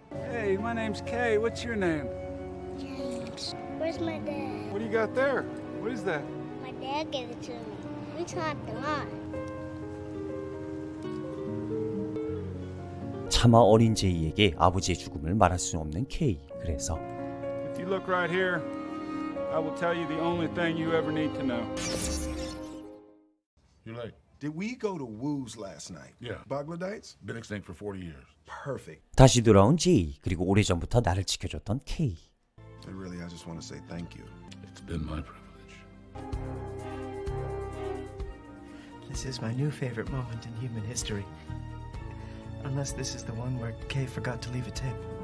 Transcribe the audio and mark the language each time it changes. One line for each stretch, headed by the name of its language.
English: Hey, my name's Kay. What's your name? James. Where's my dad? What do you got there? What is that? Dad gave it to me.
Korean: 차마 어린 제이에게 아버지의 죽음을 말할 수 없는 케이. 그래서
English: If you look right here, I will tell you the only thing you ever need to know. You're late. Did we go to Woo's last night? Yeah. Boglodytes? Been extinct for 40 years. Perfect.
Korean: 다시 돌아온 제이, 그리고 오래전부터 나를 지켜줬던 케이.
English: But really, I just want to say thank you. It's been my privilege. This is my new favorite moment in human history. Unless this is the one where Kay forgot to leave a tip.